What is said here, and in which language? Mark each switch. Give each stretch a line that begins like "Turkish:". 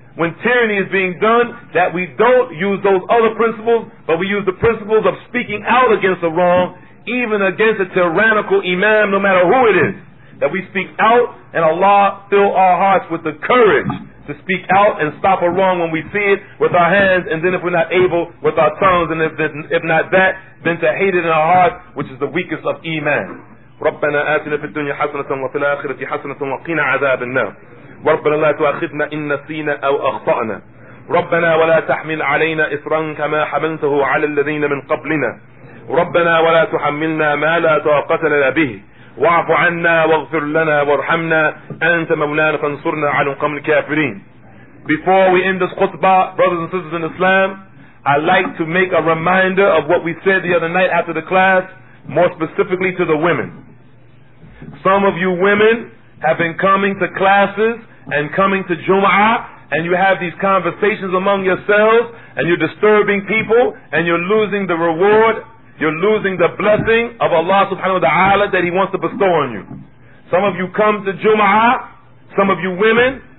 English: When tyranny is being done, that we don't use those other principles, but we use the principles of speaking out against the wrong, even against a tyrannical imam, no matter who it is, that we speak out, and Allah fill our hearts with the courage to speak out and stop a wrong when we see it with our hands, and then if we're not able, with our tongues, and if not that, then to hate it in our hearts, which is the weakest of iman.
Arabic: رَبَّنَا آتِنَا فِي الدُّنْيَا حَسَنَةً وَفِي الْآخِرَةِ حَسَنَةً وَقِنَا عَذَابَ النَّارِ وربنا لا تؤاخذنا إن نسينا أو أخطأنا ربنا ولا تحمل علينا إصرا كما حملته على الذين من قبلنا ربنا ولا تحملنا ما لا طاقة لنا به واعف عنا واغفر لنا وارحمنا أنت مولانا فانصرنا على قوم الكافرين.
English: Before we end this khutbah, brothers and sisters in Islam, I'd like to make a reminder of what we said the other night after the class, more specifically to the women. Some of you women have been coming to classes and coming to Jum'ah, and you have these conversations among yourselves, and you're disturbing people, and you're losing the reward, you're losing the blessing of Allah subhanahu wa ta'ala that He wants to bestow on you. Some of you come to Jum'ah, some of you women,